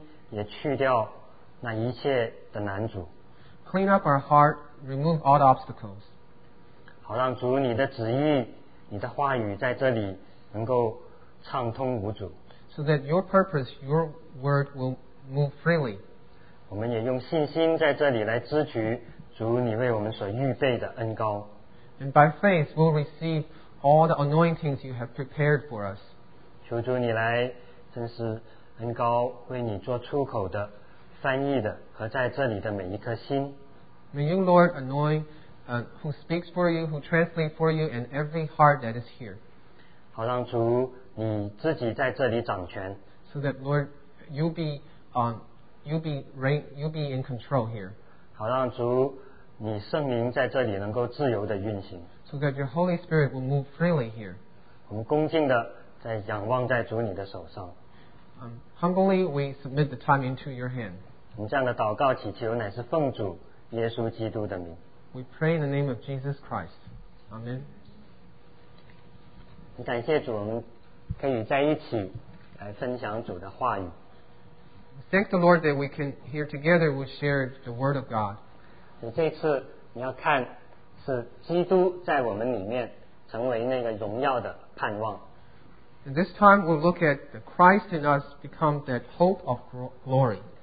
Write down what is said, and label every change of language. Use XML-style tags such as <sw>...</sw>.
<zh>愿你的宝血来洁净我们的心，也去掉那一切的难阻。</zh> <en>Clean up our heart, remove all the obstacles.</en> <zh>好让主你的旨意，你的话语在这里能够畅通无阻。</zh> <en>So that your purpose, your word will move freely.</en> <zh>我们也用信心在这里来支取主你为我们所预备的恩膏。</zh> <en>And by faith, we'll receive all the anointings you have prepared for us.</en> <zh>求主你来，真是恩膏为你做出口的、翻译的和在这里的每一颗心。</zh> <en>May you, Lord, anoint who speaks for you, who translates for you, and every heart that is here.</en> <zh>好让主。你自己在这里掌权</zh> <en>So that Lord you be in control here</en> <zh>好让主你圣灵在这里能够自由地运行</zh> <en>So that your Holy Spirit will move freely here</en> <zh>我们恭敬地在仰望在主你的手上</zh> <en>humbly we submit the time into your hand.</en> <zh>我们这样的祷告祈求乃是奉主耶稣基督的名。</zh> <en>We pray in the name of Jesus Christ. Amen.</en> <zh>感谢主，我们可以在一起来分享主的话语。</zh> <en>Thank the Lord that we can here together we share the word of God.</en> <zh>这次你要看是基督在我们里面成为那个荣耀的盼望。</zh> <en>And this time we'll look at the Christ in us become that hope of glory.</en>